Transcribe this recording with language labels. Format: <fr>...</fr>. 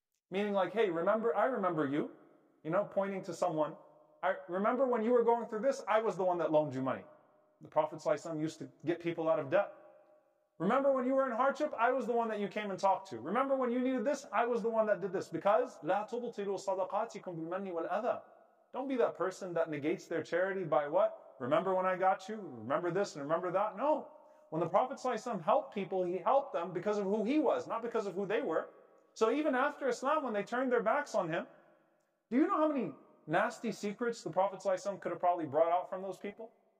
<en>Meaning like, hey, remember, I remember you, you know, pointing to someone. I remember when you were going through this, I was the one that loaned you money. The Prophet ﷺ used to get people out of debt. Remember when you were in hardship, I was the one that you came and talked to. Remember when you needed this, I was the one that did this. Because,</en> <ar>لَا تُبْطِلُوا صَدَقَاتِكُمْ بِمَنِّ وَالْأَذَى.</ar> <en>Don't be that person that negates their charity by what? Remember when I got you? Remember this and remember that? No. When the Prophet ﷺ helped people, he helped them because of who he was, not because of who they were. So even after Islam, when they turned their backs on him, do you know how many nasty secrets the Prophet ﷺ could have probably brought out from those people?</en>